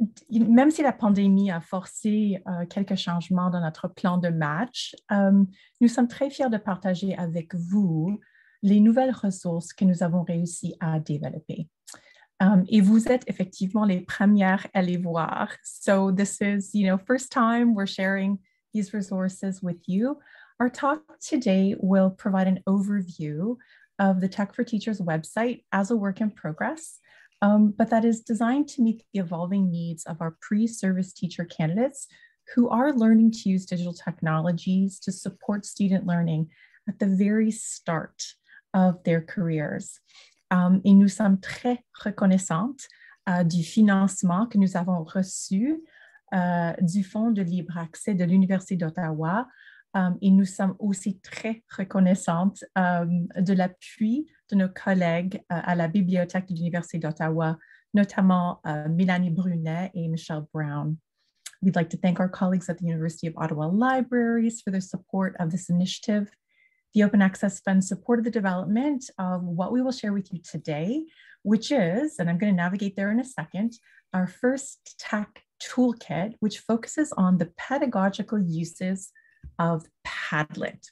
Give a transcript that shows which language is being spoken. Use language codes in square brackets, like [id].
[fr] Même si la pandémie a forcé quelques changements dans notre plan de match, nous sommes très fiers de partager avec vous les nouvelles ressources que nous avons réussi à développer. Et vous êtes effectivement les premières à les voir. [en] So this is, you know, first time we're sharing these resources with you. Our talk today will provide an overview of the Tech for Teachers website as a work in progress, but that is designed to meet the evolving needs of our pre-service teacher candidates who are learning to use digital technologies to support student learning at the very start of their careers. [fr] Et nous sommes très reconnaissantes du financement que nous avons reçu du Fonds de libre accès de l'Université d'Ottawa. Et nous sommes aussi très reconnaissantes de l'appui de nos collègues à la Bibliothèque de l'Université d'Ottawa, notamment Mélanie Brunet et Michelle Brown. [en] We'd like to thank our colleagues at the University of Ottawa Libraries for their support of this initiative. The Open Access Fund supported the development of what we will share with you today, which is, and I'm going to navigate there in a second, our first tech toolkit, which focuses on the pedagogical uses of Padlet.